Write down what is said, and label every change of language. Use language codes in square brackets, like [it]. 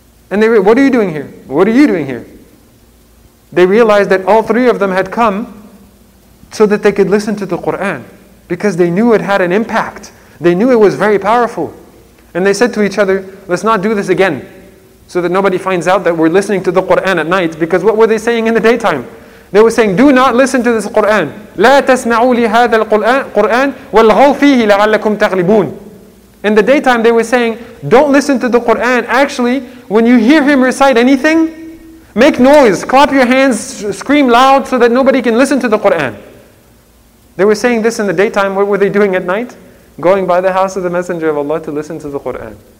[en] And they read, "What are you doing here? What are you doing here?" They realized that all three of them had come so that they could listen to the Qur'an because they knew it had an impact. They knew it was very powerful. And they said to each other, "Let's not do this again so that nobody finds out that we're listening to the Qur'an at night." Because what were they saying in the daytime? They were saying, "Do not listen to this Qur'an. [ar] لا تسمعوا لهذا القرآن والغوا فيه لعلكم تغلبون." [en] In the daytime they were saying, "Don't listen to the Qur'an. Actually, when you hear him recite anything, make noise, clap your hands, scream loud so that nobody can listen to the Qur'an." They were saying this in the daytime. What were they doing at night? Going by the house of the Messenger of Allah to listen to the Qur'an.